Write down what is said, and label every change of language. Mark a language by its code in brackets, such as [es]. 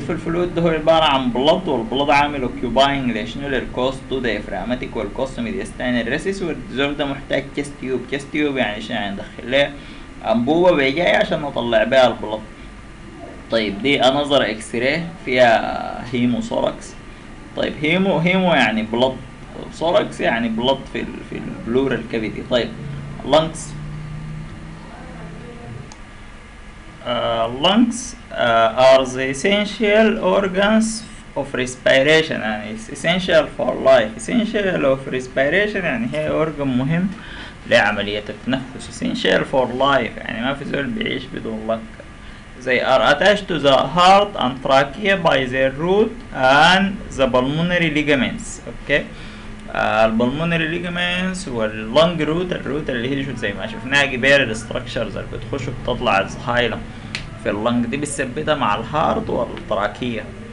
[ar] في الفلويد ده هو عباره عن بلد، والبلد عامل اوكيوباينج لاشنولر كوستو دايفرامتيك والكوستو ميدياستينال ريسيس، والريزولف ده محتاج كيس تيوب. كيس تيوب يعني شنو؟ يعني ندخل لها انبوبه بيجي عشان نطلع بيها البلد. طيب دي انظر اكس راي فيها هيمو سوركس. طيب هيمو يعني بلد، سوركس يعني بلد في البلورال كافيتي. [en] طيب lungs, lungs are the essential organs of respiration and it's essential for life. essential of respiration [ar] يعني هي organ مهم لعملية التنفس. [en] essential for life [ar] يعني ما في زول بيعيش بدون lung. [en] they are attached to the heart and trachea by their root and the pulmonary ligaments. [ar] okay البلمونري ليجمنتس واللونج روت، الروت اللي هي زي ما شفناها كبيره الاستراكشرز اللي بتخش وبتطلع الزهايلم في اللونج دي بتثبتها مع الهارت والتراكيه.